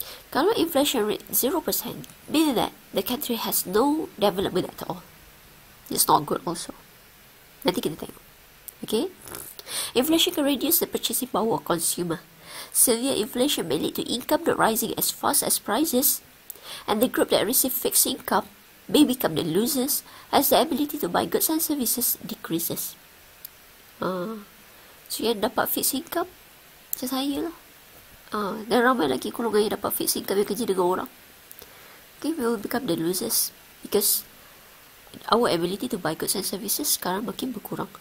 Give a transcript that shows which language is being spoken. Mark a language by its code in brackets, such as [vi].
[en] Kalau inflation rate 0%, meaning that the country has no development at all. It's not good also. [ms] Nanti kita tengok. [en] Okay? Inflation can reduce the purchasing power of consumers. Severe inflation may lead to income not rising as fast as prices, and the group that receive fixed income may become the losers as their ability to buy goods and services decreases. [ms] So yang dapat fixed income, macam saya lah. Dan ramai lagi golongan yang dapat fixed income yang kerja dengan orang. [en] Okay, we will become the losers because our ability to buy goods and services [ms] sekarang makin berkurang.